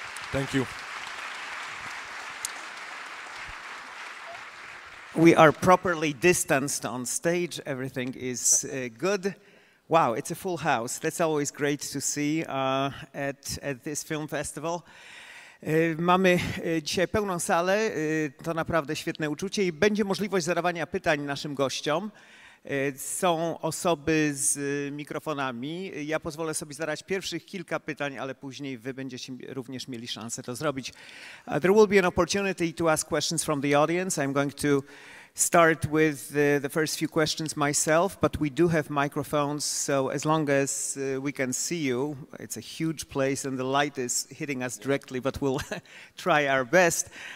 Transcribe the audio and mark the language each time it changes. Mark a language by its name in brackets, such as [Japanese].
[English] Thank you. We are properly distanced on stage. Everything is good. Wow, it's a full house. That's always great to see at this film festival. [Polish] Mamy dzisiaj pełną salę. To naprawdę świetne uczucie i będzie możliwość zadawania pytań naszym gościom. Są osoby z mikrofonami. Ja pozwolę sobie zadać pierwszych kilka pytań, ale później wy będziecie również mieli szansę to zrobić. [English] There will be an opportunity to ask questions from the audience. I'm going to start with the first few questions myself, but we do have microphones, so as long as we can see you, it's a huge place and the light is hitting us directly, but we'll try our best.